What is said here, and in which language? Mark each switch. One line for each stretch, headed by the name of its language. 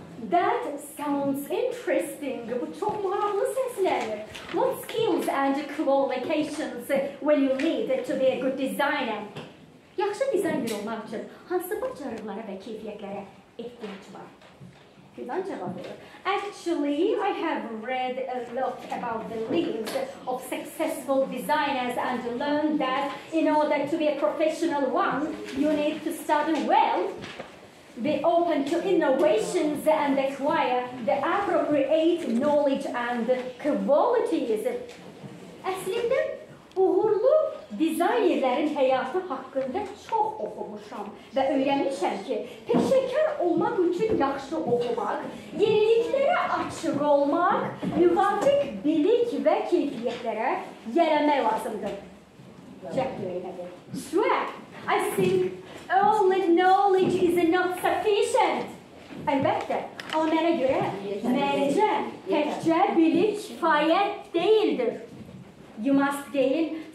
English: That sounds interesting.
Azerbaijani: Bu çok maraqlı səslənir.
English: What skills and qualifications will you need to be a good designer?
Azerbaijani: Yaxşı dizayner olmaq üçün hansı bacarıqlara və keyfiyyətlərə ehtiyac var? Fidan cavab verir.
English: Actually, I have read a lot about the lives of successful designers and learned that in order to be a professional one, you need to study well, be open to innovations and acquire the appropriate knowledge and qualities.
Azerbaijani: Əslində, uğurlu dizaynerlərin həyatı haqqında çox oxumuşam və öyrənmişəm ki, peşəkar olmaq üçün yaxşı oxumaq, yeniliklərə açıq olmaq, müvafiq bilik və keyfiyyətlərə yərəmək lazımdır.
English: Jack Swag, I think only knowledge is not sufficient.
Azerbaijani: Əlbəttə, amma mənə görə məncə təkcə bilik kifayət deyildir.
English: You must gain